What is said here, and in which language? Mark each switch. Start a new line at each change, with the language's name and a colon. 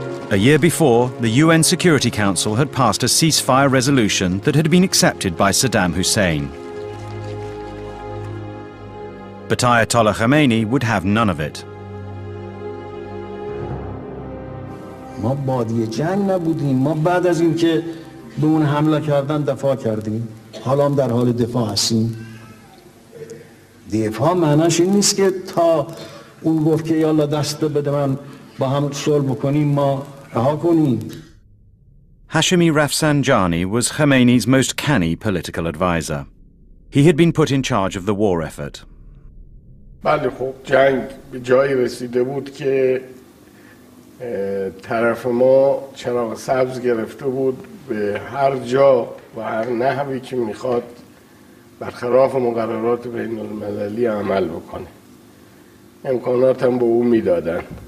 English: A year before, the UN Security Council had passed a ceasefire resolution that had been accepted by Saddam Hussein. But Ayatollah Khomeini would have none of it.
Persian: ما بادی جنگ نبودیم. ما بعد از اینکه به اون حمله کردن دفاع کردیم. حالا هم در حال دفاع هستیم. دفاع معناش این نیست که تا اون گفت که یالا دست بده من با هم صلح بکنیم ما رها کنیم.
English: Hashemi Rafsanjani was Khomeini's most canny political advisor. He had been put in charge of the war effort.
Persian: بله خب جنگ به جایی رسیده بود که طرف ما چراغ سبز گرفته بود به هر جا و هر نحوی که میخواد برخلاف مقررات بین المللی عمل بکنه امکانات هم به او میدادن